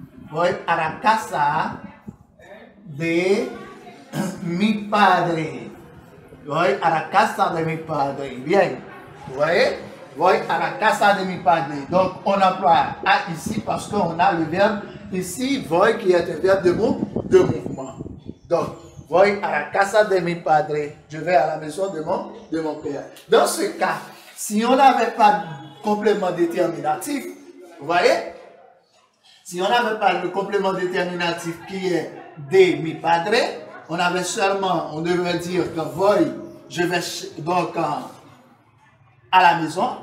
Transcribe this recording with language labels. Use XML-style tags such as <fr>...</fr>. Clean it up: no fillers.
<es>Voy a la casa de mi padre. Voy a la casa de mi padre. Bien. Voyez? Voy a la casa de mi padre.</es> <fr>Donc, on emploie a ici parce qu'on a le verbe ici, voy, qui est un verbe de mot de mouvement.</fr> <es>Donc, voy a la casa de mi padre.</es> <fr>Je vais à la maison de mon père. Dans ce cas, si on n'avait pas de complément déterminatif, vous voyez? Si on n'avait pas le complément déterminatif qui est</fr> <es>de mi padre,</es> <fr>on avait seulement, on devrait dire que voy, je vais donc à la maison.</fr>